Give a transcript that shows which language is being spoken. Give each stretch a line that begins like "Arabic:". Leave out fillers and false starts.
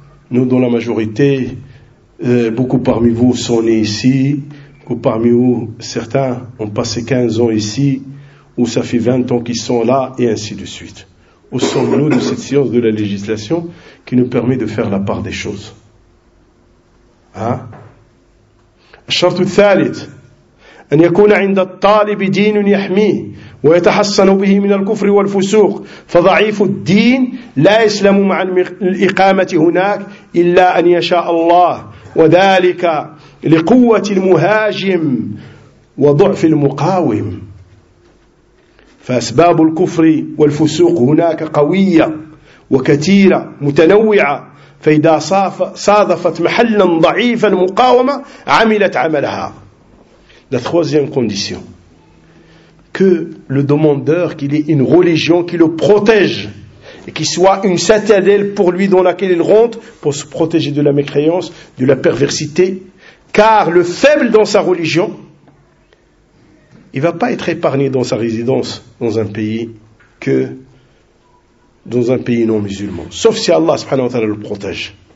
French: Nous, dans la majorité, beaucoup parmi vous sont nés ici, beaucoup parmi vous, certains ont passé 15 ans ici, ou ça fait 20 ans qu'ils sont là, et ainsi de suite. Où sommes-nous de cette science de la législation qui nous permet de faire la part des choses?
Arabic: الشرط الثالث أن يكون عند الطالب دين يحميه ويتحصن به من الكفر والفسوق فضعيف الدين لا يسلم مع الإقامة هناك إلا أن يشاء الله وذلك لقوة المهاجم وضعف المقاوم فأسباب الكفر والفسوق هناك قوية وكثيرة متنوعة فإذا صادفت محلا ضعيفا مقاومة عملت عملها.
French: La troisième condition, que le demandeur, qu'il ait une religion qui le protège et qui soit une citadelle pour lui dans laquelle il rentre pour se protéger de la mécréance, de la perversité, car le faible dans sa religion, il ne va pas être épargné dans sa résidence dans un pays que dans un pays non musulman, sauf si Allah subhanahu wa ta'ala le protège.